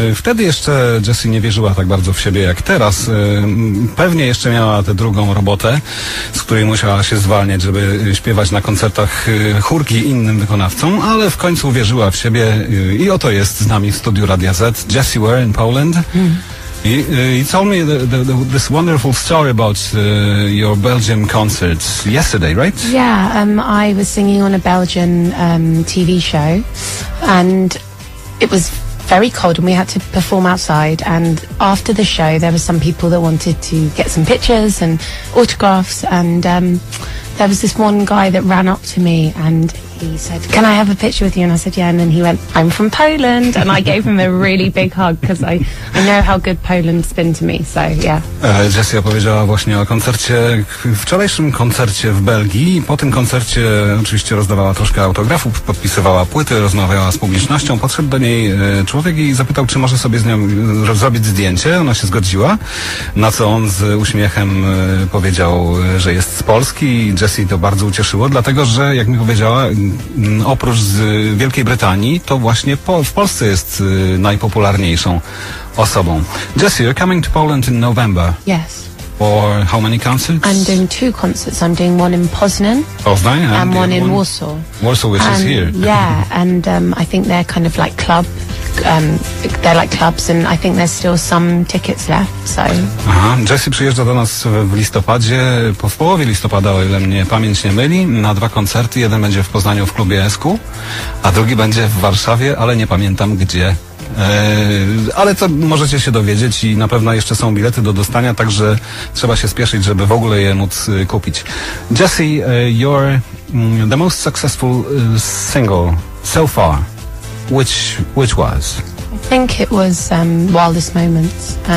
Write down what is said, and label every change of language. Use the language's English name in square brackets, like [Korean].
[Polish] Wtedy jeszcze Jesse nie wierzyła tak bardzo w siebie jak teraz. Pewnie jeszcze miała tę drugą robotę, z której musiała się zwalniać, żeby śpiewać na koncertach chórki innym wykonawcom, ale w końcu wierzyła w siebie i oto jest z nami w studiu Radia Z, Jesse Ware [English] in Poland. You told me this wonderful story about your Belgian concerts yesterday, right? Yeah, I was singing on a Belgian TV show, and it was very cold, and we had to perform outside. And after the show, there were some people that wanted to get some pictures and autographs, and there was this one guy that ran up to me and he said, can I have a picture with you? And I said, yeah. And then he went, I'm from Poland. And I gave him a really big hug because I know how good Poland's been to me. So, yeah. [Polish] Jesse opowiedziała właśnie o koncercie, wczorajszym koncercie w Belgii. Po tym koncercie oczywiście rozdawała troszkę autografów, podpisywała płyty, rozmawiała z publicznością. Podszedł do niej człowiek i zapytał, czy może sobie z nią zrobić zdjęcie. Ona się zgodziła, na co on z uśmiechem powiedział, że jest z Polski. Jesse to bardzo ucieszyło, dlatego że, jak mi powiedziała, oprócz z Wielkiej Brytanii, to właśnie w Polsce jest najpopularniejszą osobą. [English] Jesse, you're coming to Poland in November. Yes. For how many concerts? I'm doing two concerts. I'm doing one in Poznan. Poznan? And one in Warsaw. Warsaw, which is here. Yeah, and I think they're kind of like club. They're like clubs, and I think there's still some tickets left, so... [Polish] Aha, Jesse przyjeżdża do nas w listopadzie, w połowie listopada, o ile mnie pamięć nie myli, na dwa koncerty. Jeden będzie w Poznaniu w klubie Esku, a drugi będzie w Warszawie, ale nie pamiętam gdzie. Ale to możecie się dowiedzieć i na pewno jeszcze są bilety do dostania, także trzeba się spieszyć, żeby w ogóle je móc kupić. [English] Jesse, you're the most successful single so far. Which was? I think it was Wildest Moments.